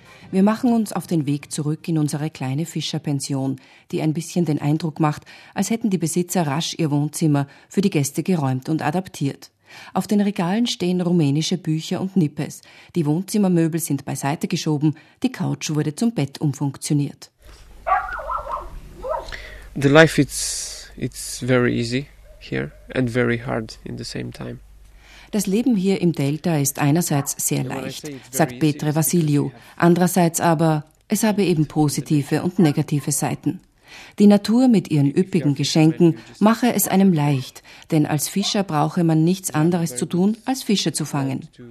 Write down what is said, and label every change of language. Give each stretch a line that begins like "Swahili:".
German: Wir machen uns auf den Weg zurück in unsere kleine Fischerpension, die ein bisschen den Eindruck macht, als hätten die Besitzer rasch ihr Wohnzimmer für die Gäste geräumt und adaptiert. Auf den Regalen stehen rumänische Bücher und Nippes. Die Wohnzimmermöbel sind beiseite geschoben, die Couch wurde zum Bett umfunktioniert.
English: The life it's very easy here and very hard in the same time.
German: Das Leben hier im Delta ist einerseits sehr leicht, sagt Petre Vasiliu. Andererseits aber, es habe eben positive und negative Seiten. Die Natur mit ihren üppigen Geschenken mache es einem leicht, denn als Fischer brauche man nichts anderes zu tun, als Fische zu fangen.